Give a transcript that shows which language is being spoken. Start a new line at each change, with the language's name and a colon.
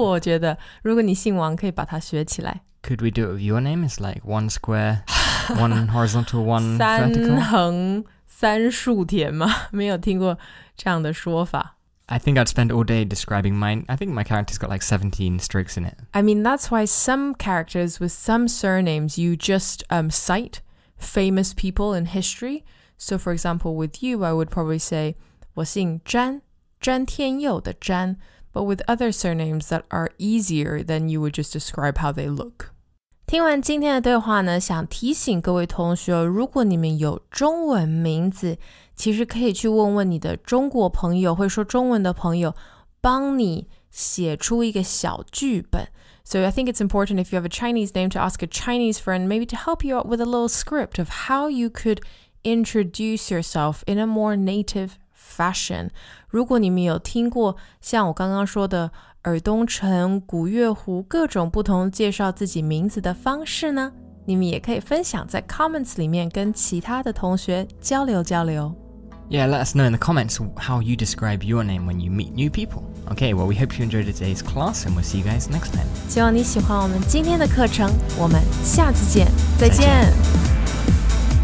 Chinese: 我觉得如果你姓王，可以把它学起来。
English: Could we do it with your name? It's like one square, one horizontal, one vertical.
Chinese: 三横三竖田吗？没有听过这样的说法。
English: I think I'd spend all day describing mine. I think my character's got like 17 strokes in it. I mean, that's why some characters with some surnames, you just cite famous people in history. So for example, with you, I would probably say,
Chinese: 我姓詹,詹天佑的詹.
English: But with other surnames that are easier, then you would just describe how they look.
Chinese: 听完今天的对话呢，想提醒各位同学，如果你们有中文名字，其实可以去问问你的中国朋友，会说中文的朋友，帮你写出一个小剧本，
English: So I think it's important if you have a Chinese name to ask a Chinese friend maybe to help you out with a little script of how you could introduce yourself in a more native fashion.
Chinese: 如果你们有听过像我刚刚说的耳东城、古月湖各种不同介绍自己名字的方式呢，你们也可以分享在 comments 里面跟其他的同学交流交流。
English: Yeah, let us know in the comments how you describe your name when you meet new people. Okay, well, we hope you enjoyed today's class and we'll see you guys next time.
Chinese: 希望你喜欢我们今天的课程，我们下次见，再见。